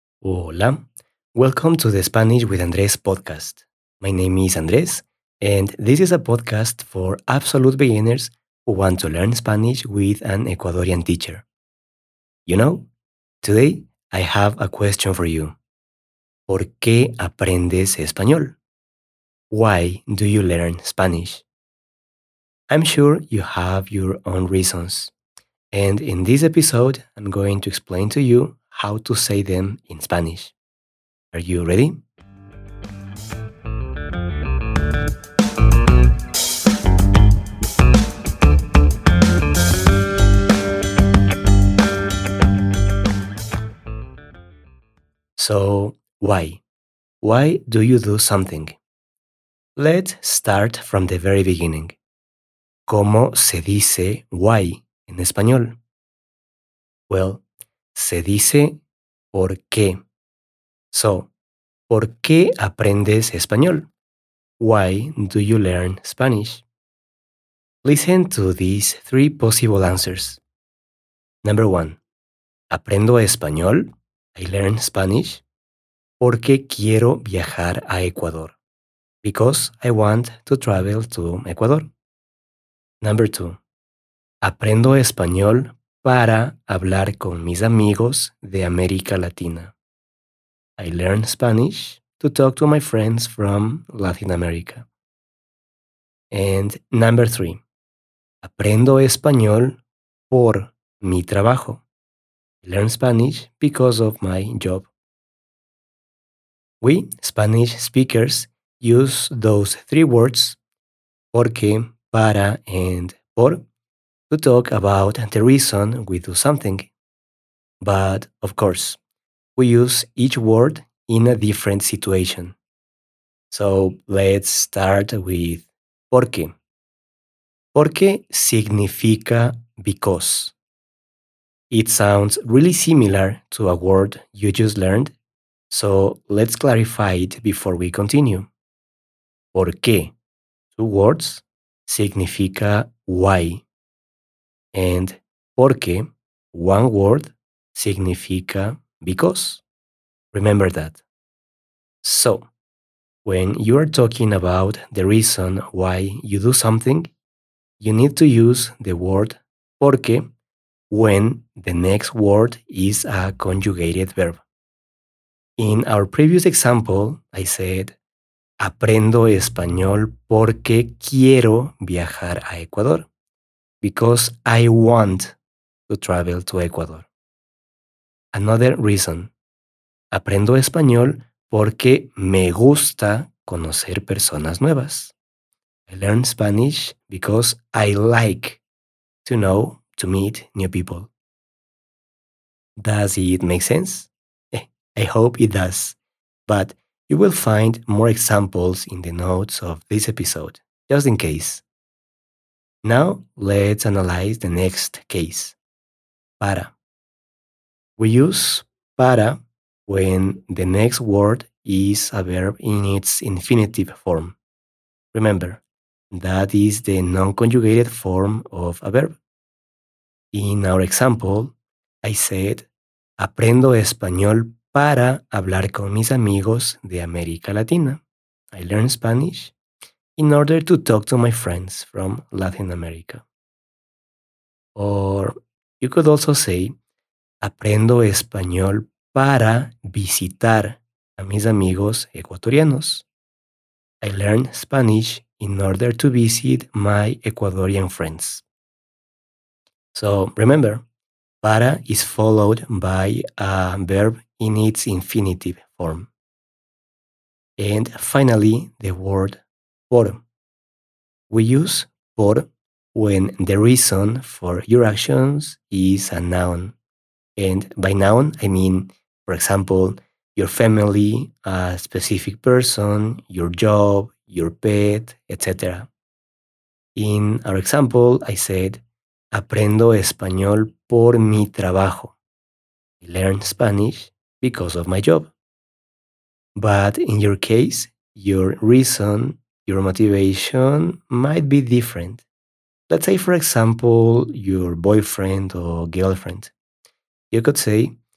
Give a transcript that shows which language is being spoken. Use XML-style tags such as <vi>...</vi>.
<es>Hola,</es> <en>welcome to the Spanish with Andrés podcast. My name is Andrés, and this is a podcast for absolute beginners who want to learn Spanish with an Ecuadorian teacher. You know, today I have a question for you.</en> <es>¿Por qué aprendes español?</es> <en>Why do you learn Spanish? I'm sure you have your own reasons, and in this episode, I'm going to explain to you how to say them in Spanish. Are you ready? So, why? Why do you do something? Let's start from the very beginning.</en> <es>¿Cómo se dice</es> <en>why</en> <es>en español?</es> <en>Well,</en> <es>se dice por qué.</es> <en>So,</en> <es>¿por qué aprendes español?</es> <en>Why do you learn Spanish? Listen to these three possible answers. Number one,</en> <es>aprendo español,</es> <en>I learn Spanish,</en> <es>porque quiero viajar a Ecuador.</es> <en>Because I want to travel to Ecuador. Number two,</en> <es>aprendo español para hablar con mis amigos de América Latina.</es> <en>I learn Spanish to talk to my friends from Latin America. And number three,</en> <es>aprendo español por mi trabajo.</es> <en>I learn Spanish because of my job. We Spanish speakers use those three words, porque, para, and por, to talk about the reason we do something. But, of course, we use each word in a different situation. So, let's start with ¿por qué? ¿Por qué significa because? It sounds really similar to a word you just learned, so let's clarify it before we continue.</en> <es>¿Por qué?</es> <en>Two words</en> <es>significa why.</es> <en>And porque, one word,</en> <es>significa</es> <en>because. Remember that. So, when you are talking about the reason why you do something, you need to use the word porque when the next word is a conjugated verb. In our previous example, I said,</en> <es>aprendo español porque quiero viajar a Ecuador.</es> <en>Because I want to travel to Ecuador. Another reason.</en> <es>Aprendo español porque me gusta conocer personas nuevas.</es> <en>I learn Spanish because I like to know, to meet new people. Does it make sense? I hope it does. But you will find more examples in the notes of this episode, just in case. Now, let's analyze the next case. Para. We use para when the next word is a verb in its infinitive form. Remember, that is the non-conjugated form of a verb. In our example, I said,</en> <es>aprendo español para hablar con mis amigos de América Latina.</es> <en>I learn Spanish in order to talk to my friends from Latin America. Or you could also say,</en> <es>aprendo español para visitar a mis amigos ecuatorianos.</es> <en>I learn Spanish in order to visit my Ecuadorian friends. So remember, para is followed by a verb in its infinitive form. And finally, the word por. We use por when the reason for your actions is a noun. And by noun, I mean, for example, your family, a specific person, your job, your pet, etc. In our example, I said,</en> <es>aprendo español por mi trabajo.</es> <en>I learn Spanish because of my job. But in your case, your reason, your motivation might be different. Let's say, for example, your boyfriend or girlfriend. You could say,</en>